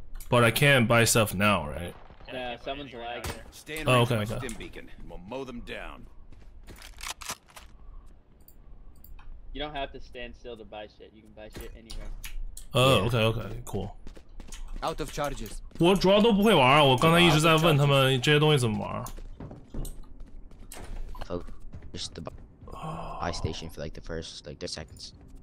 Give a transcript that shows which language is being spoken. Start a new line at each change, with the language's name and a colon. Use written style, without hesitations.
English: But I can't buy stuff now, right? Yeah, someone's lagging. Okay. Stim beacon. We'll mow them down. You don't have to stand still to buy shit, you can buy shit anywhere. Okay, cool. Out of charges.
Chinese: 我主要都不会玩啊，我刚才一直在问他们这些东西怎么玩。
English: Just the buy station for like the first like 10 seconds.